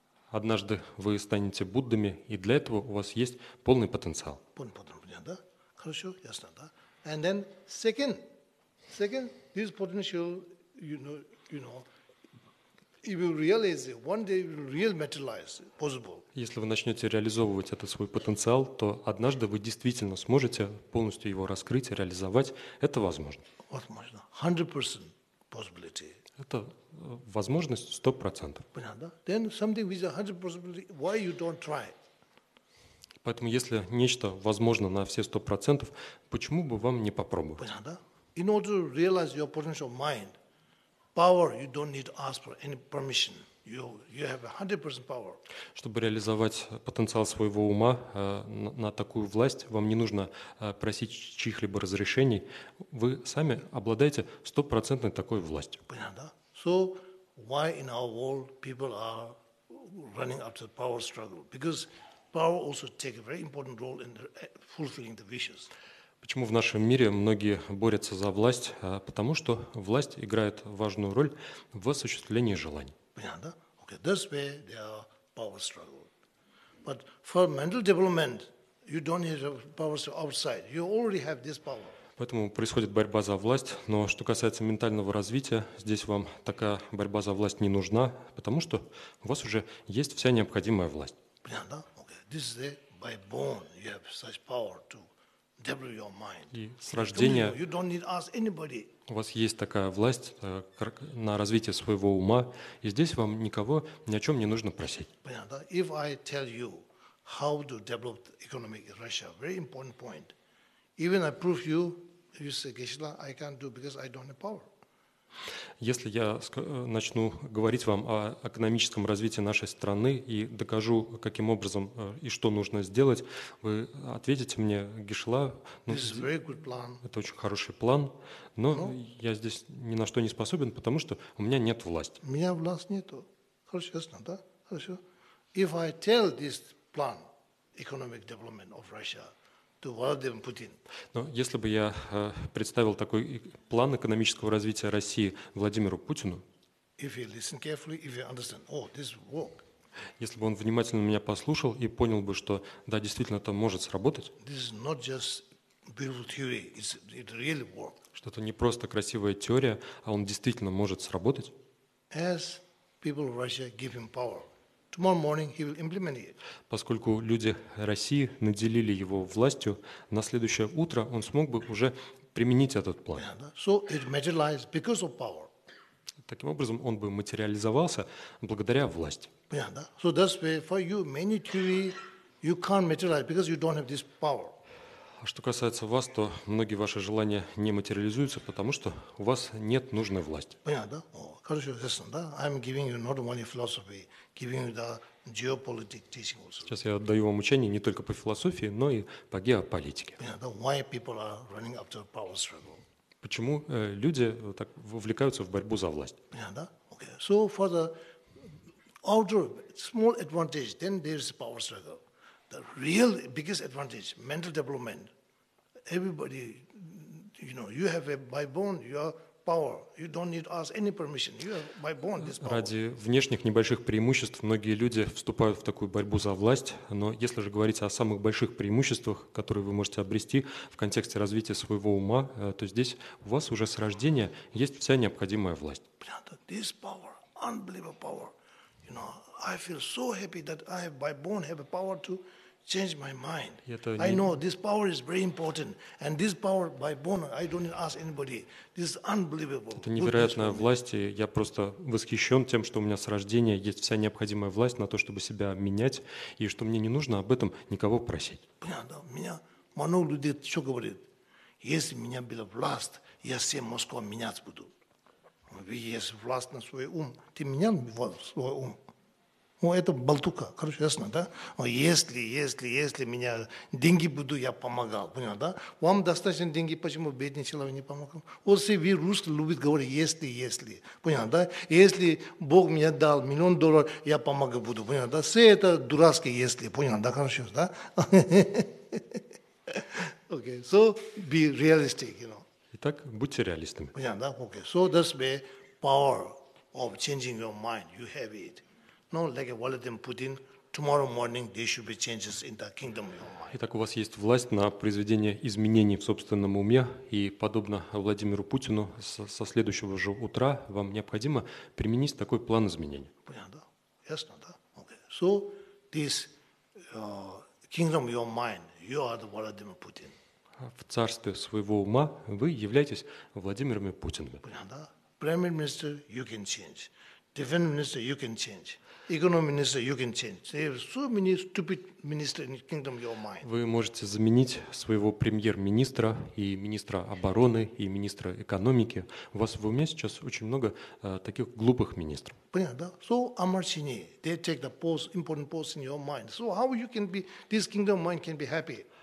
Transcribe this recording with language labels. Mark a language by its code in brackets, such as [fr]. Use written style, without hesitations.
[ru] Однажды вы станете Буддами, и для этого у вас есть полный потенциал. Полный потенциал, да? Хорошо, ясно, да? [en] And then second, this potential, you know, if you realize it, one day it will really materialize, possible. [ru] Если вы начнете реализовывать этот свой потенциал, то однажды вы действительно сможете полностью его раскрыть и реализовать. Это возможно. Возможно. [en] 100% possibility. [ru] Это возможность 100%. Понятно, да? [en] Then something with 100% possibility, why you don't try? [ru] Поэтому если нечто возможно на все 100%, почему бы вам не попробовать? Понятно, да? [en] In order to realize your potential mind, power, you don't need to ask for any permission. You have 100% power. [ru] Чтобы реализовать потенциал своего ума на такую власть, вам не нужно просить чьих-либо разрешений. Вы сами обладаете 100% такой властью. Понятно, да? [en] So why in our world people are running after power struggle? Because power also takes a very important role in fulfilling the wishes. [ru] Почему в нашем мире многие борются за власть? Потому что власть играет важную роль в осуществлении желаний. Понятно, да? [en] Okay, that's where there are power struggle. But for mental development, you don't need power outside. You already have this power. [ru] Поэтому происходит борьба за власть. Но что касается ментального развития, здесь вам такая борьба за власть не нужна, потому что у вас уже есть вся необходимая власть. Понятно, да? [en] Okay, this is by born you have such power to develop your mind. [ru] И с рождения. [en] You don't need ask anybody. [ru] У вас есть такая власть на развитие своего ума, и здесь вам никого ни о чем не нужно просить. Понятно, да? [en] If I tell you how to develop economic in Russia, very important point. Even I prove you, you say, Geshe-la, I can't do because I don't have power. [ru] Если я начну говорить вам о экономическом развитии нашей страны и докажу, каким образом и что нужно сделать, вы ответите мне, Geshe-la, это очень хороший план, но я здесь ни на что не способен, потому что у меня нет власти. У меня власти нету. Хорошо, ясно, да? Хорошо. [en] If I tell this plan, economic development of Russia, to Vladimir Putin. [ru] Но если бы я представил такой план экономического развития России Владимиру Путину, [en] if you listen carefully, if you understand, oh, this work. [ru] Если бы он внимательно меня послушал и понял бы, что да, действительно, это может сработать, [en] this is not just beautiful theory, it really work. [ru] Что это не просто красивая теория, а он действительно может сработать, [en] as people of Russia give him power. Tomorrow morning he will implement it. [ru] Поскольку люди России наделили его властью, на следующее утро он смог бы уже применить этот план. Yeah, [en] so it materialized because of power. [ru] Таким образом, он бы материализовался благодаря власти. Yeah, да. [en] So that's why for you many TV you can't materialize because you don't have this power. [ru] А что касается вас, то многие ваши желания не материализуются, потому что у вас нет нужной власти. Понятно, да? Хорошо, [en] listen, [ru] да? [en] I'm giving you not only philosophy, giving you the geopolitical teaching also. [ru] Сейчас я отдаю вам учение не только по философии, но и по геополитике. Понятно, [en] why people are running after power struggle? [ru] Почему люди так вовлекаются в борьбу за власть? Понятно, да? Okay. [en] So for the outer small advantage, then there's power struggle. The real biggest advantage, mental development. Everybody, you know, you have a by born your power. You don't need to ask any permission. You have by born this power. [ru] Ради внешних небольших преимуществ многие люди вступают в такую борьбу за власть. Но если же говорить о самых больших преимуществах, которые вы можете обрести в контексте развития своего ума, то здесь у вас уже с рождения есть вся необходимая власть. [en] This power, unbelievable power. You know, I feel so happy that I have by born have a power to change my mind. I know this power is very important, and this power by born I don't need to ask anybody. This is unbelievable. [ru] Это невероятная власть, и я просто восхищен тем, что у меня с рождения есть вся необходимая власть на то, чтобы себя менять, и что мне не нужно об этом никого просить. Понятно. Меня много людей что говорит: если меня была власть, я всем Москвой менять буду. Есть власть на свой ум. Ты менял свой ум. Ну, это болтука, короче, ясно, да? Если меня деньги буду, я помогал, понял, да? Вам достаточно деньги, почему бедный человек не помогал? Вот все вы русские любят говорить «если», понял, да? Если Бог мне дал миллион долларов, я помогать буду, понял, да? Все это дурацкие «если», понял, да, короче, да? [en] Okay, so be realistic, you know. [ru] Итак, будьте реалистами. Понятно, да? Okay. [en] So that's the power of changing your mind. You have it. No, like Vladimir Putin, tomorrow morning there should be changes in the kingdom of your mind. [ru] Итак, у вас есть власть на произведение изменений в собственном уме, и подобно Владимиру Путину, со следующего же утра вам необходимо применить такой план изменений. Понятно, да? Ясно, да? Okay. So this kingdom of your mind, you are the Vladimir Putin. В царстве своего ума вы являетесь Владимиром Путиным. Да. [en] Premier minister you can change, defense minister you can change, economy minister you can change. There are so many stupid ministers in the kingdom your mind. [ru] Вы можете заменить своего премьер-министра и министра обороны и министра экономики. У вас в уме сейчас очень много таких глупых министров. Понятно, да? [en] So Amartya, they take the post, important post in your mind. So how you can be this kingdom mind can be happy?